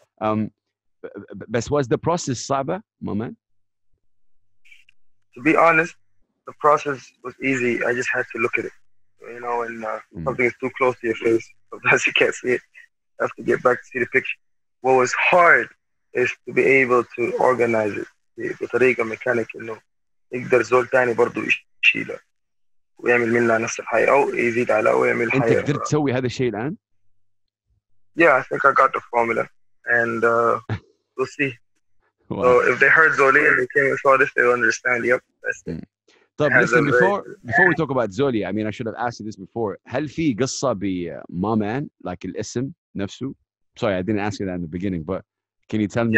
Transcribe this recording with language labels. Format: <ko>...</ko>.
<en>But was the process</en> <ar>صعبة,</ar> <en>my man? To be honest, the process was easy. I just had to look at it, you know, and something is too close to your face, sometimes you can't see it. I have to get back to see the picture. What was hard is to be able to organize it. The tariqa mechanic, you know,</en> <ar>يقدر زول تاني برضو يشيله ويعمل منها نفس الحياة أو يزيد على أو يعمل حياة. أنت قدرت تسوي هذا الشيء الآن؟</ar> <en>Yeah, I think I got the formula, and we'll see. Wow. So if they heard Zoli and they came and saw this, they'll understand. Yep, that's it.</en> <ar>طب</ar> <en>listen, before we talk about Zoli, I mean, I should have asked you this before.</en> <ar>هل في قصة ب</ar> <en>my man, like</en> <ar>الاسم نفسه؟</ar> <en>Sorry, I didn't ask you that in the beginning, but can you tell me?</en>